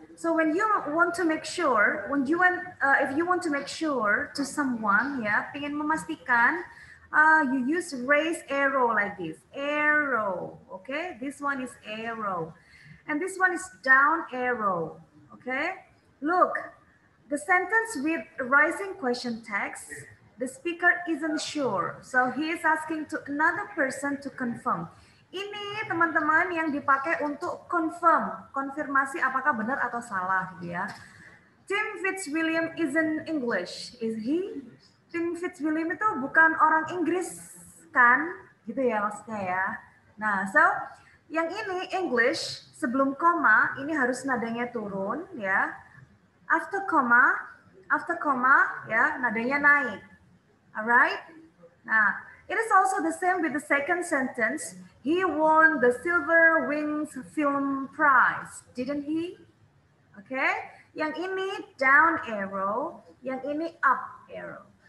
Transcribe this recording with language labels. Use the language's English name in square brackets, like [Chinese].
[English] So when you want to make sure, when you want, if you want to make sure to someone, yeah, [Indonesian] pengen memastikan, [English] you use raise arrow like this, arrow, okay? This one is arrow, and this one is down arrow, okay? Look, the sentence with rising question text, the speaker isn't sure, so he is asking to another person to confirm. [Indonesian] Ini teman-teman yang dipakai untuk confirm, konfirmasi apakah benar atau salah, ya. [English] Tim Fitzwilliam isn't English, is he? [Indonesian] Tim Fitzwilliam itu bukan orang Inggris kan, gitu ya maksudnya ya. Nah, so yang ini English sebelum koma ini harus nadanya turun, ya. [English] After comma, [Indonesian] ya nadanya naik. Alright. [English] Nah, it is also the same with the second sentence. He won the Silver Wings Film Prize, didn't he? Okay. [Indonesian] Yang ini down arrow, yang ini up arrow.